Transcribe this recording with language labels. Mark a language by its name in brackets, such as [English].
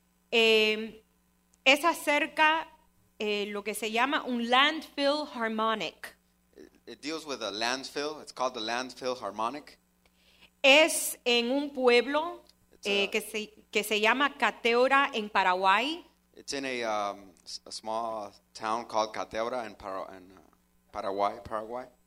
[Spanish] Es acerca lo que se llama un landfill harmonic. [English] It deals with a landfill. It's called the landfill harmonic. [Spanish] Es en un pueblo que se llama Cateura en Paraguay. [English] It's in a small town called Cateura in Paraguay.